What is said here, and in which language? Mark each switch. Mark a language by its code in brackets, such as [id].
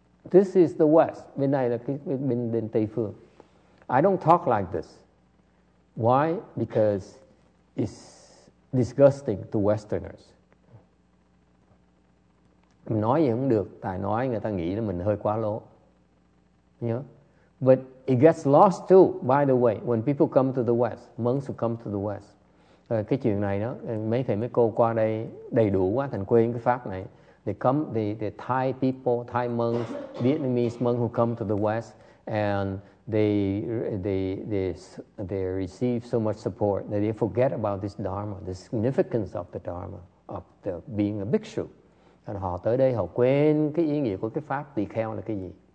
[en] This is the West. [vi] Bên này là bên Tây Phương. [en] I don't talk like this. Why? Because it's disgusting to Westerners. [vi] Mình nói gì cũng được, tại nói người ta nghĩ là mình hơi quá lố. [en] Yeah? But it gets lost too, by the way, when people come to the West, monks who come to the West. [vi] Cái chuyện này đó, mấy thầy mấy cô qua đây đầy đủ quá thành quên cái pháp này. [en] They come, the Thai people, Thai monks, Vietnamese monks who come to the West, and they receive so much support that they forget about this dharma, the significance of the dharma, of the being a bhikshu. [vi] And họ tới đây họ quên cái ý nghĩa của cái pháp tỳ kheo là cái gì.